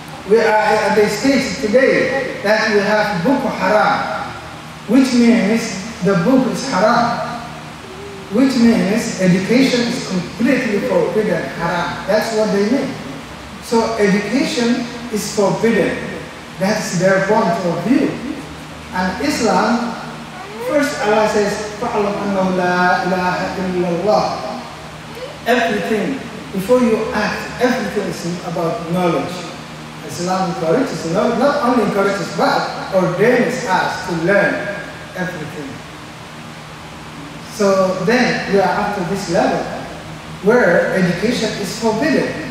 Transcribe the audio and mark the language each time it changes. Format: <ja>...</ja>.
<en>We are at the stage today that we have Boko Haram, which means the book is haram, which means education is completely forbidden haram. That's what they mean. So education is forbidden. That's their point of view. And Islam, first Allah says,</en> <ar>فَعْلَمْ أَنَّهُ لَا إِلَهَ إِلَّا اللَّهُ.</ar> <en>Everything, before you act, everything is about knowledge. Islam encourages, not only encourages, but ordains us to learn everything. So then we are up to this level where education is forbidden.</en>